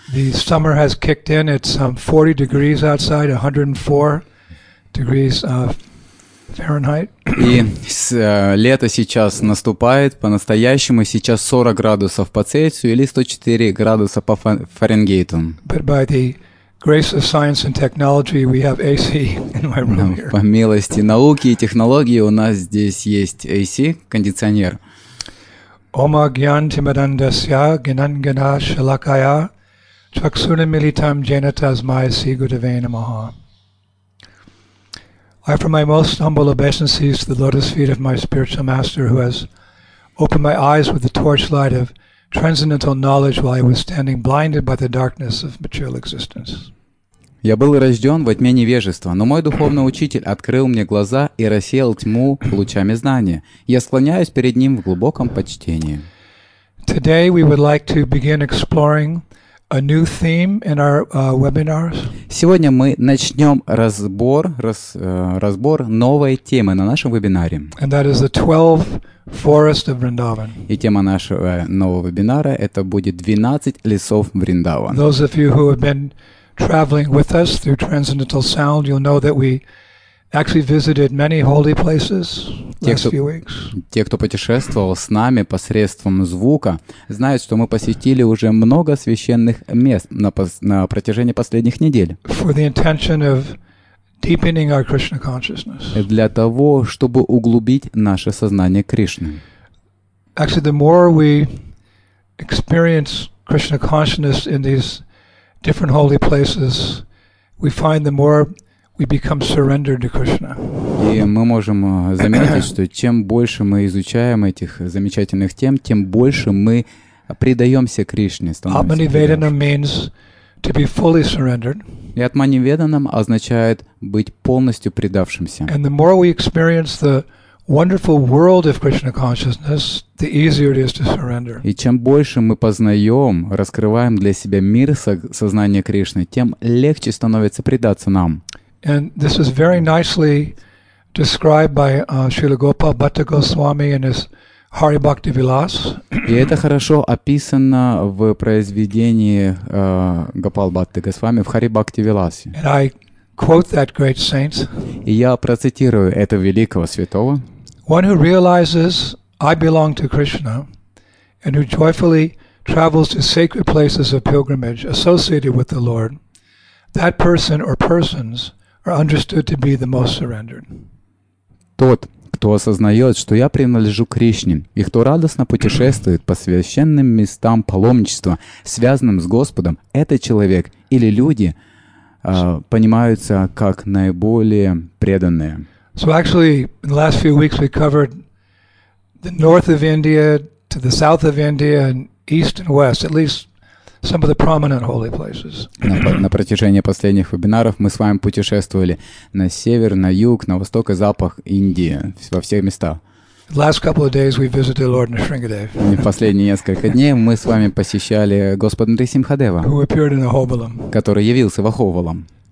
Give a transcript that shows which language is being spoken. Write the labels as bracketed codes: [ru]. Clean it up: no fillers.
[en] The summer has kicked in. It's 40 degrees outside, 104 degrees Fahrenheit. [ru] И лето сейчас наступает по-настоящему. Сейчас 40 градусов по Цельсию или 104 градуса по Фаренгейту. [en] But by the grace of science and technology, we have AC in my room here. [ru] По милости науки и технологии у нас здесь есть AC, кондиционер. [sa] Ома гьян тимадандасья гинангана шалакая чаксунамилитам джанатас майя сигудаве намаха. [en] I offer my most humble obeisances to the lotus feet of my spiritual master who has opened my eyes with the torchlight of transcendental knowledge while I was standing blinded by the darkness of material existence. [ru] Я был рожден во тьме невежества, но мой духовный учитель открыл мне глаза и рассеял тьму лучами знания. Я склоняюсь перед ним в глубоком почтении. [en] Today we would like to begin exploring a new theme in our webinars. [ru] Сегодня мы начнем разбор новой темы на нашем вебинаре. [en] And that is the 12 forests of Vrindavan. [ru] И тема нашего нового вебинара это будет 12 лесов Вриндавана. [en] Those of you who have been traveling with us through Transcendental Sound, you'll know that we actually visited many holy places last few weeks. [ru] Те, кто путешествовал с нами посредством звука, знают, что мы посетили уже много священных мест на протяжении последних недель. [en] For the intention of deepening our Krishna consciousness. [ru] Для того, чтобы углубить наше сознание Кришны. [en] Actually, the more we experience Krishna consciousness in these different holy places, we find the more we become surrendered to Krishna. [ru] И мы можем заметить, что чем больше мы изучаем этих замечательных тем, тем больше мы предаемся Кришне. [en] Атманиведанам means to be fully surrendered. [ru] И атманиведанам означает быть полностью предавшимся. [en] And the more we experience the wonderful world of Krishna consciousness, the easier it is to surrender. [ru] И чем больше мы познаем, раскрываем для себя мир сознания Кришны, тем легче становится предаться нам. [en] And this is very nicely described by Srila Gopal Bhatta Goswami in his Hari Bhakti Vilas. [ru] И это хорошо описано в произведении Гопал Бхатты Госвами в Хари Бхакти Виласе. [en] And I quote that great saint. [ru] И я процитирую этого великого святого. [en] One who realizes I belong to Krishna and who joyfully travels to sacred places of pilgrimage associated with the Lord, that person or persons are understood to be the most surrendered. [ru] Тот, кто осознает, что я принадлежу Кришне, и кто радостно путешествует по священным местам паломничества, связанным с Господом, этот человек или люди понимаются как наиболее преданные. [en] So actually, in the last few weeks we covered the north of India to the south of India and east and west, at least some of the prominent holy places. [ru] На протяжении последних вебинаров мы с вами путешествовали на север, на юг, на восток и запах Индии, во все места. [en] Last couple of days we visited Lord Nrisimhadev. [ru] В последние несколько дней мы с вами посещали Господа Нрисимхадева, который явился в Аховалам.